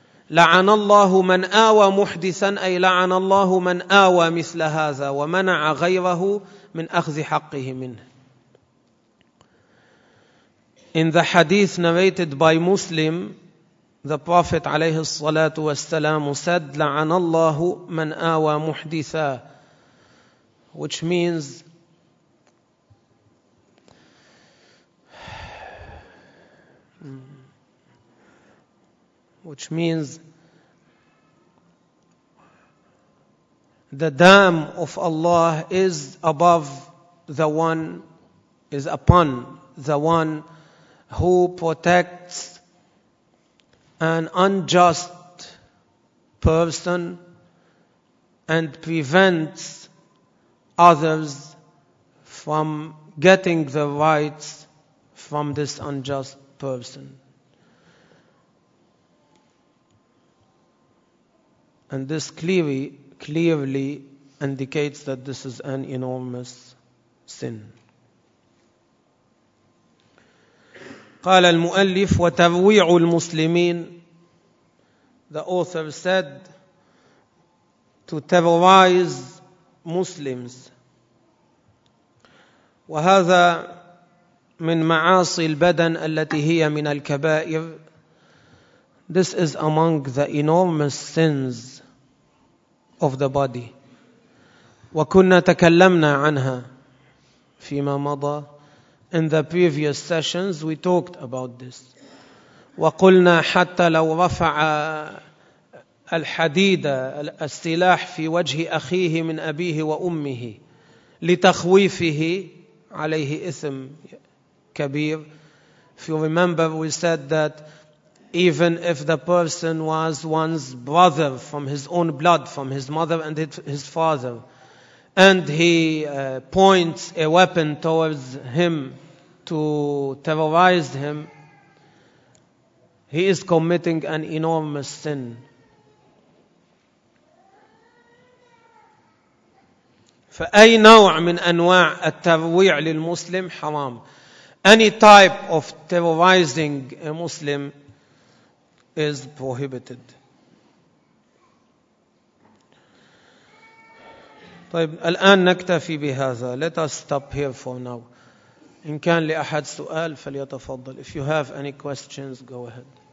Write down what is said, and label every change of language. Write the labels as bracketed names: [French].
[Arabic] لعن الله من آوى محدثا أي لعن الله من آوى مثل هذا ومنع غيره من أخذ حقه منه. [English] In the hadith narrated by Muslim, the Prophet [Arabic] عليه الصلاة والسلام [English] said, [Arabic] لعن الله من آوى محدثا, [English] which means the dam of Allah is above the one, is upon the one who protects an unjust person and prevents others from getting the rights from this unjust person. And this clearly indicates that this is an enormous sin. [Arabic] قال المؤلف وترويع المسلمين. [English] The author said to terrorize Muslims. [Arabic] وهذا من معاصي البدن التي هي من الكبائر. [English] This is among the enormous sins of the body. [Arabic] وكنا تكلمنا عنها فيما مضى. [English] In the previous sessions we talked about this. [Arabic] وقلنا حتى لو رفع الحديد السلاح في وجه أخيه من أبيه وأمه لتخويفه عليه إثم كبير. [English] If you remember, we said that even if the person was one's brother from his own blood, from his mother and his father, and he points a weapon towards him to terrorize him, he is committing an enormous sin. [Arabic] فأي نوع من أنواع الترويع للمسلم حرام. [English] Any type of terrorizing a Muslim is prohibited. [Arabic] طيب الآن نكتفي بهذا. [English] Let us stop here for now. [Arabic] إن كان لأحد سؤال فليتفضل. [English] If you have any questions, go ahead.